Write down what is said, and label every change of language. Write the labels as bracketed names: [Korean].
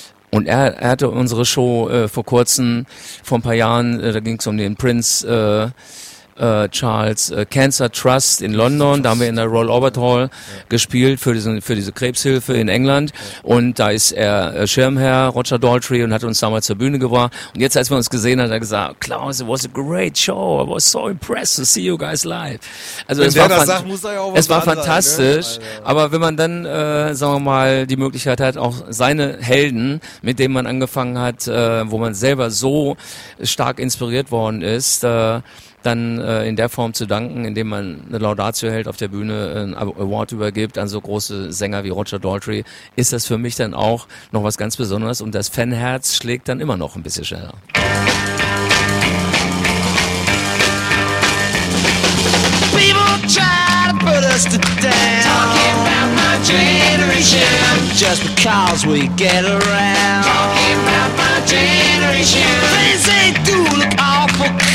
[German] Und er hatte unsere Show vor kurzem, vor ein paar Jahren, da ging es um den Prinz Charles Cancer Trust in London. Da haben wir in der Royal Albert Hall gespielt für diese Krebshilfe in England. Und da ist er Schirmherr, Roger Daltrey, und hat uns damals zur Bühne gebracht. Und jetzt, als wir uns gesehen haben, hat er gesagt, Klaus, [English] it was a great show. I was so impressed to see you guys live. [German] Also es war fantastisch. Sein, ne? Aber wenn man dann, sagen wir mal, die Möglichkeit hat, auch seine Helden, mit denen man angefangen hat, wo man selber so stark inspiriert worden ist, dann in der Form zu danken, indem man eine Laudatio hält, auf der Bühne einen Award übergibt an so große Sänger wie Roger Daltrey, ist das für mich dann auch noch was ganz Besonderes, und das Fanherz schlägt dann immer noch ein bisschen schneller. [English] People try to put us to down, talking about my generation, just because we get around, talking about my generation, things they do look awful.